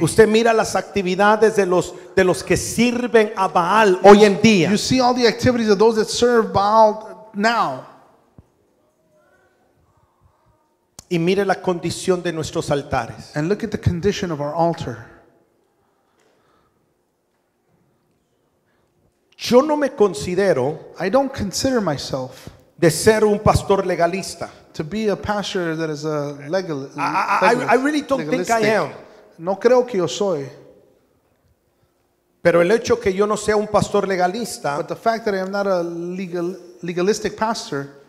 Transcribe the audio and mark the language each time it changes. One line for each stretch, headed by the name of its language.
Spanish: Usted mira las actividades de los que sirven a Baal hoy en día.
English: You see all the activities of those that serve Baal now.
Spanish: Y mire la condición de nuestros altares.
English: And look at the condition of our altar.
Spanish: Yo no me considero,
English: I don't consider myself,
Spanish: de ser un pastor legalista.
English: To be a pastor that is a legalist. I really don't think I am.
Spanish: No creo que yo soy. Pero el hecho que yo no sea un pastor legalista.
English: But the fact that I am not a legalistic pastor.